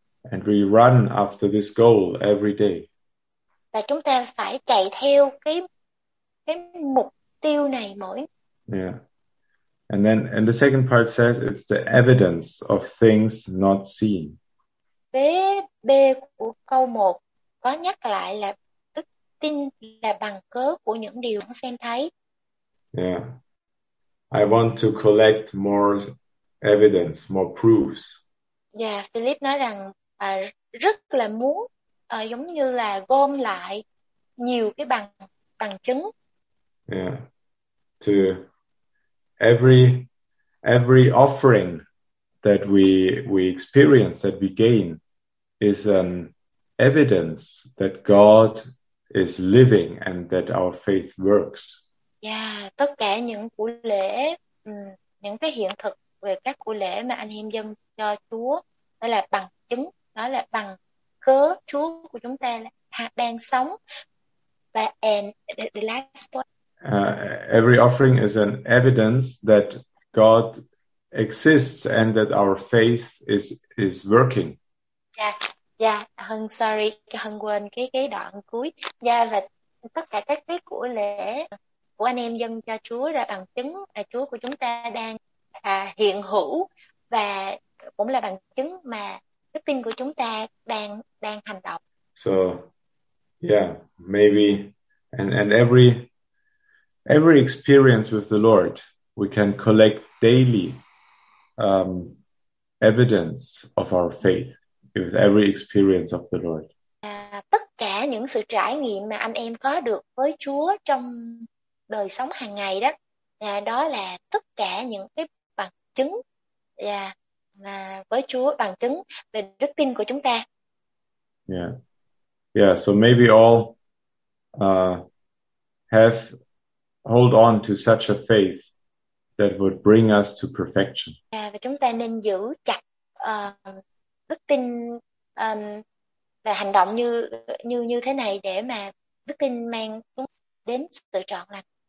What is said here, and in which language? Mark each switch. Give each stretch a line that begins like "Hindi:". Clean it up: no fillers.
English: And we run after this goal every day.
Vietnamese: Và chúng ta phải chạy theo cái mục tiêu này mỗi. Yeah.
English: And the second part says it's the evidence of things not seen.
Vietnamese: Vế B của câu 1 có nhắc lại là đức tin là bằng cớ của những điều không xem thấy.
English: Yeah. I want to collect more evidence, more proofs.
Vietnamese: Yeah, Philip nói rằng rất là muốn giống như là gom lại nhiều cái bằng chứng. Yeah.
English: To every offering that we experience, that we gain, is an evidence that God is living and that our faith works.
Vietnamese: Yeah, tất cả những của lễ, những cái hiện thực về các của lễ mà anh em dâng cho Chúa, đó là bằng chứng, đó là bằng cớ Chúa của chúng ta đang sống.
English: Và the last one. Every offering is an evidence that God exists and that our faith is working.
Vietnamese: Yeah, Hân sorry, Hân quên cái đoạn cuối. Yeah, và tất cả các cái của lễ của anh em dâng cho Chúa là bằng chứng là Chúa của chúng ta đang hiện hữu và cũng là bằng chứng mà đức tin của chúng ta đang hành động.
English: So, yeah, maybe and every experience with the Lord, we can collect daily evidence of our faith with every experience of the Lord.
Vietnamese: Tất cả những sự trải nghiệm mà anh em có được với Chúa trong đời sống hàng ngày đó, đó là tất cả những cái bằng chứng với Chúa, bằng chứng về đức tin của chúng ta.
English: Yeah. Yeah, so maybe all have hold on to such a faith that would bring us to perfection.
Vietnamese: Và chúng ta nên giữ chặt đức tin và hành động như như như thế này để mà đức tin mang chúng đến sự trọn lành.